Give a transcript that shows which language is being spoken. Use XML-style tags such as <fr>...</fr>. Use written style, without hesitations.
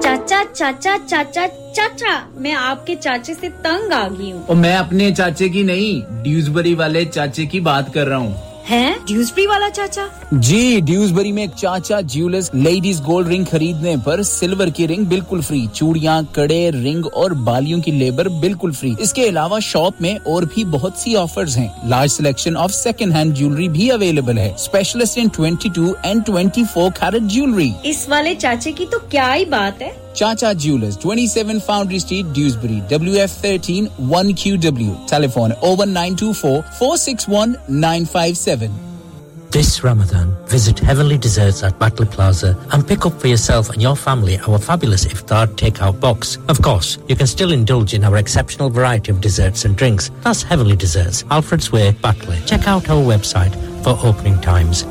<hi>चाचा चाचा चाचा चाचा मैं आपके चाचे से तंग आ गई हूँ. और मैं अपने चाचे की नहीं ड्यूजबरी वाले चाचे की बात कर रहा हूँ. हैं ड्यूजबरी वाला चाचा? जी ड्यूजबरी में चाचा ज्वेलर्स लेडीज गोल्ड रिंग खरीदने पर सिल्वर की रिंग बिल्कुल फ्री, चूड़ियां कड़े रिंग और बालियों की लेबर बिल्कुल फ्री. इसके अलावा शॉप में और भी बहुत सी ऑफर्स हैं.</hi> <en>large selection of second hand jewellery</en> <hi>भी अवेलेबल है.</hi> <en>Specialist in 22 and 24 carat jewellery.</en> <hi>इस वाले चाचे की तो क्या ही बात है. चाचा jewellers 27 foundry street Dewsbury WF13 1QW. Telephone 01924461957.</hi> <en>This Ramadan, visit Heavenly Desserts at Butler Plaza and pick up for yourself and your family our fabulous iftar takeout box. Of course, you can still indulge in our exceptional variety of desserts and drinks. That's Heavenly Desserts, Alfred's Way, Butler. Check out our website for opening times.</en>